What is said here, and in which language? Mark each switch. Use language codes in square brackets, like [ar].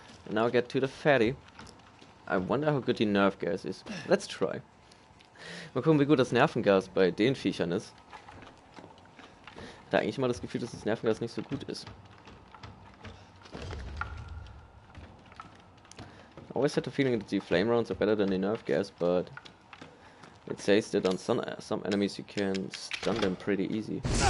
[en] Now get to the fatty. I wonder how good the nerve gas is. Let's try. [de] Mal gucken, wie gut das Nervengas bei den Viechern ist. Da eigentlich immer das Gefühl, dass das Nervengas nicht so gut ist. [en] I always had the feeling that the flame rounds are better than the nerve gas, but it says that on some enemies you can stun them pretty easy.